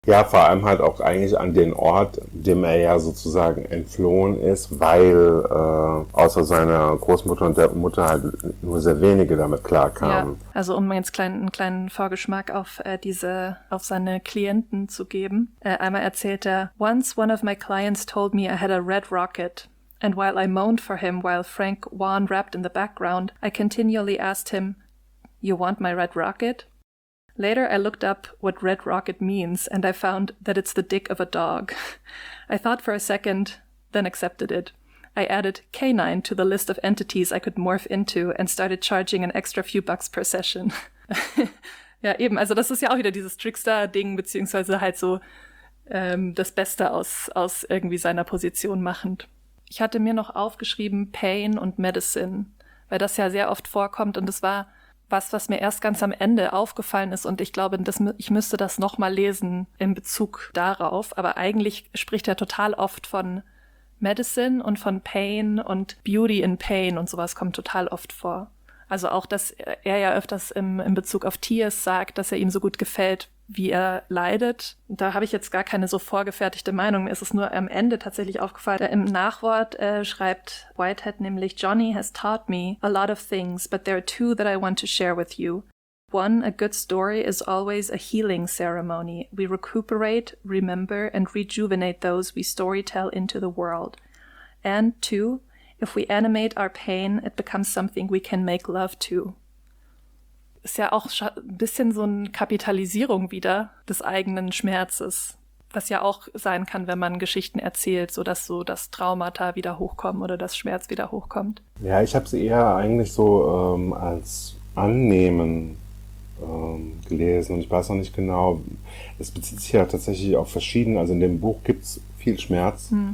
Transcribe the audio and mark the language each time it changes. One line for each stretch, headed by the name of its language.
German: Ja, vor allem halt auch eigentlich an den Ort, dem er ja sozusagen entflohen ist, weil außer seiner Großmutter und der Mutter halt nur sehr wenige damit klarkamen. Ja, also um jetzt einen kleinen Vorgeschmack auf seine Klienten zu geben. Einmal erzählt er,
English: "Once one of my clients told me I had a red rocket. And while I moaned for him while Frank Wan rapped in the background, I continually asked him, 'You want my red rocket?' Later, I looked up what red rocket means, and I found that it's the dick of a dog. I thought for a second, then accepted it. I added canine to the list of entities I could morph into and started charging an extra few bucks per session."
German: Ja, eben. Also das ist ja auch wieder dieses Trickster-Ding, beziehungsweise halt so das Beste aus irgendwie seiner Position machend. Ich hatte mir noch aufgeschrieben Pain und Medicine, weil das ja sehr oft vorkommt und es war was mir erst ganz am Ende aufgefallen ist und ich glaube, ich müsste das nochmal lesen in Bezug darauf, aber eigentlich spricht er total oft von Medicine und von Pain und Beauty in Pain und sowas kommt total oft vor. Also auch, dass er ja öfters in Bezug auf Tears sagt, dass er ihm so gut gefällt, wie er leidet. Da habe ich jetzt gar keine so vorgefertigte Meinung. Mir ist es nur am Ende tatsächlich aufgefallen. Im Nachwort schreibt Whitehead nämlich,
English: "Johnny has taught me a lot of things, but there are two that I want to share with you. One, a good story is always a healing ceremony. We recuperate, remember, and rejuvenate those we storytell into the world. And two, if we animate our pain, it becomes something we can make love to."
German: ist ja auch ein bisschen so eine Kapitalisierung wieder des eigenen Schmerzes, was ja auch sein kann, wenn man Geschichten erzählt, sodass so das Traumata wieder hochkommen oder das Schmerz wieder hochkommt. Ja, ich habe es eher eigentlich so als Annehmen gelesen und ich weiß noch nicht genau, es bezieht sich ja tatsächlich auf verschiedene, also in dem Buch gibt es viel Schmerz.